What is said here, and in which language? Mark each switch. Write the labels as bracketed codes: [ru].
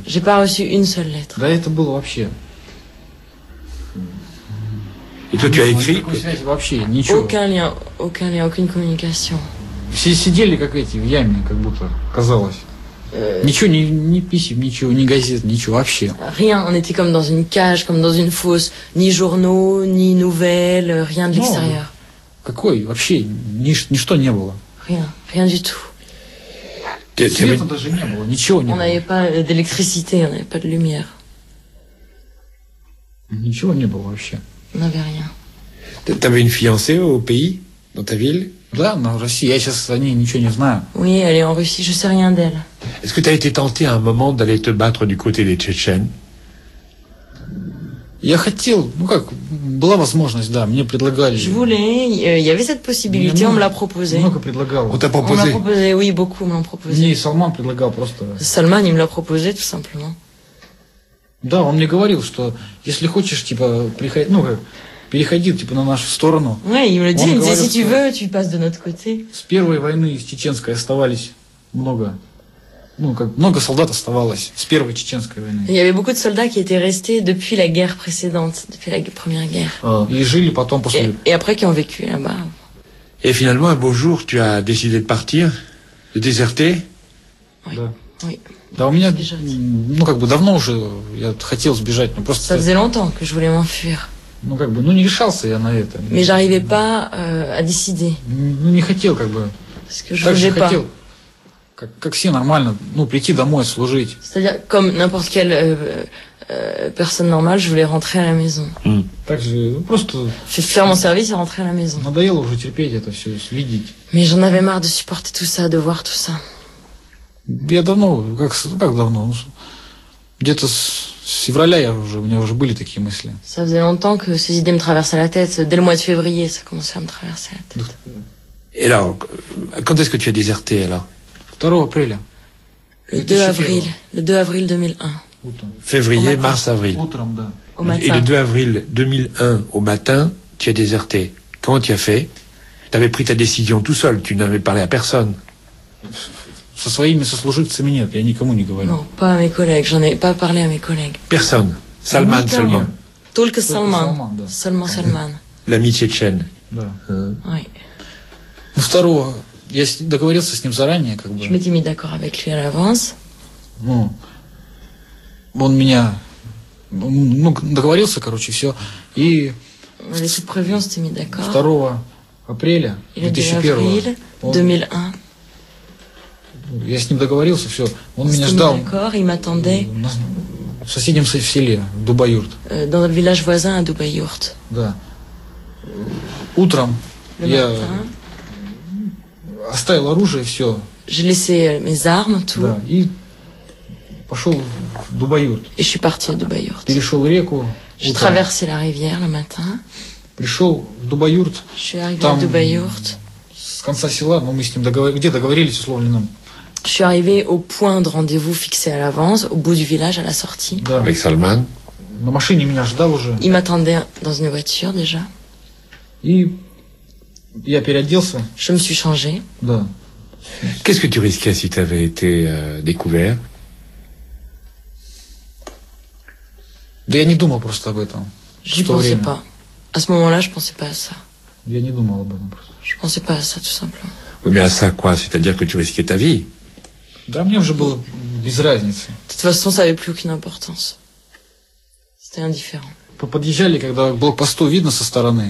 [fr] J'ai pas reçu une seule lettre. [ru] Да, это было вообще. [fr] Et toi, tu as écrit? Aucun lien, aucune communication. [ru] Все сидели как эти в яме, как будто казалось. Ничего, ни писем, ничего, ни газет, ничего вообще. [fr] Rien, on était comme dans une cage, comme dans une fosse. [ru] Ни [fr] journaux, [ru] ни [fr] nouvelles, rien de l'extérieur. [ru] Какой? Вообще, ничто не было. [fr] Rien du tout. [ru] Света даже не было, ничего не было. [fr] On n'avait pas d'électricité, on n'avait pas de lumière. [ru] Ничего не было вообще. [fr] On n'avait rien. T'avais une fiancée au pays, dans ta ville? [ru] Да, но в России, я сейчас о ней ничего не знаю. [fr] Oui, elle est en Russie, je sais rien d'elle. Est-ce que tu as été tenté à un moment d'aller te battre du côté des Tchétchènes? [ru] Я хотел, ну как, была возможность, да, мне предлагали. [fr] Je voulais, il y avait cette possibilité, on me l'a proposé. [ru] Много предлагал. [fr] On t'a proposé? On m'a proposé, oui, beaucoup m'ont proposé. [ru] Не, Salman предлагал просто. [fr] Salman, il me l'a proposé, tout simplement. [ru] Да, он мне говорил, что если хочешь, типа, приходить, ну как... Переходил типа на нашу сторону. [fr] Ouais, il me dit, [ru] он говорил, [fr] si tu veux, tu passes de notre côté. [ru] С первой войны из чеченской оставались много, ну как много солдат оставалось с первой чеченской войны. [fr] Il y avait beaucoup de soldats qui étaient restés depuis la guerre précédente, depuis la première guerre. [ru] И жили потом после. [fr] Et après qui ont vécu là-bas. Et finalement un beau jour tu as décidé de partir, de déserter. Oui. [ru] Да, у меня ну как бы давно уже я хотел сбежать, но просто. [fr] Ça faisait longtemps que je voulais m'enfuir. [ru] Ну как бы, ну не решался я на это. [fr] Mais j'arrivais pas à décider. [ru] Ну не хотел как бы. [fr] Parce que je voulais pas. [ru] Как все нормально, ну прийти домой служить. [fr] C'est-à-dire comme n'importe quelle personne normale, je voulais rentrer à la maison. [ru] Так же, ну просто. [fr] C'est faire mon service et rentrer à la maison. [ru] Надоело уже терпеть это все, видеть. [fr] Mais j'en avais marre de supporter tout ça, de voir tout ça. [ru] Я давно, как давно, ну где-то с февраля я уже, у меня уже были такие мысли. [fr] Ça faisait longtemps que ces idées me traversaient la tête. Dès le mois de février, ça commençait à me traverser la tête. Et alors, quand est-ce que tu as déserté alors? 2 avril. Le 2 avril. Le 2 avril 2001. Février, mars, avril. Et le 2 avril 2001, au matin, tu as déserté. Comment tu as fait? Tu avais pris ta décision tout seul, tu n'avais parlé à personne. [ru] Со своими сослуживцами нет, я никому не говорю. [fr] Non, pas à mes collègues, j'en ai pas parlé à mes collègues. Personne. Salman seulement. [ru] Только Salman. [fr] Seulement Salman. L'ami Tchétchène. [ru] Да. [fr] Oui. [ru] Второго, я договорился с ним заранее, как бы. [fr] Je m'étais mis d'accord avec lui à l'avance. [ru] Ну, он меня, ну, договорился, короче, все. И... [fr] On avait prévu, on s'était mis d'accord. [ru] 2 апреля 2001. [fr] 2001. [ru] Я с ним договорился, все. Он меня ждал. [fr] Il m'attendait. [ru] В соседнем селе, Дубаюрт. [fr] Dans le village voisin à Dubaïurt. [ru] Да. Утром я оставил оружие, все. [fr] J'ai laissé mes armes, tout. [ru] Да. И пошел в Дубаюрт. [fr] Et je suis parti à Dubaïurt. [ru] Перешел реку. [fr] J'ai traversé la rivière le matin. [ru] Пришел в Дубаюрт. [fr] Je suis arrivé à Dubaïurt. [ru] С конца села, но мы с ним договорились, где договорились, условно, нам. [fr] Je suis arrivé au point de rendez-vous fixé à l'avance, au bout du village, à la sortie. [ru] Да. [fr] Avec Salman. [ru] На машине меня ждал уже. [fr] Il m'attendait dans une voiture déjà. Et [ru] я переоделся. [fr] Je me suis changé. [ru] Да. [fr] Qu'est-ce que tu risquais si tu avais été découvert? [ru] Да я не думал просто об этом. [fr] J'y pensais pas. À ce moment-là, je pensais pas à ça. [ru] Я не думал об этом просто. [fr] Je pensais pas à ça, tout simplement. Oui, mais à ça quoi? C'est-à-dire que tu risquais ta vie? Да, мне уже было без разницы. De toute façon, ça avait plus aucune importance. C'était indifférent. [ru] Подъезжали, когда блокпосту видно со стороны.